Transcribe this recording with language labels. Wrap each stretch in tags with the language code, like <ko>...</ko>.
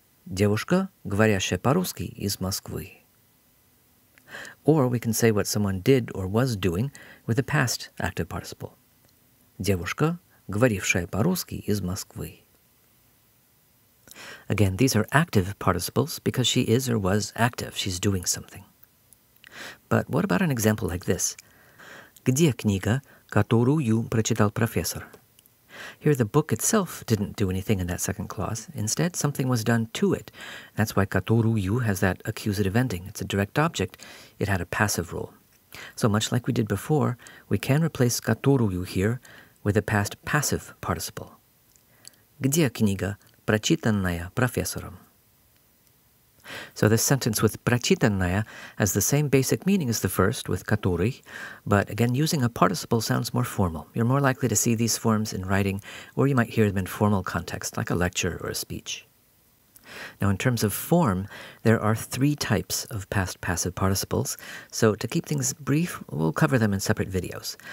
<ru>Девушка, говорящая по-русски, из Москвы.</ru> <en>Or we can say what someone did or was doing with a past active participle.</en> <ru>Девушка, говорившая по-русски, из Москвы.</ru> <en>Again, these are active participles because she is or was active. She's doing something. But what about an example like this?</en> <ru>Где книга, которую прочитал профессор?</ru> <en>Here, the book itself didn't do anything in that second clause. Instead, something was done to it. That's why которую has that accusative ending. It's a direct object. It had a passive role. So much like we did before, we can replace которую here with a past passive participle.</en> <ru>Где книга, прочитанная профессором?</ru> <en>So this sentence with прочитанная has the same basic meaning as the first with который, but again, using a participle sounds more formal. You're more likely to see these forms in writing, or you might hear them in formal context, like a lecture or a speech. Now, in terms of form, there are three types of past passive participles, so to keep things brief, we'll cover them in separate videos.</en>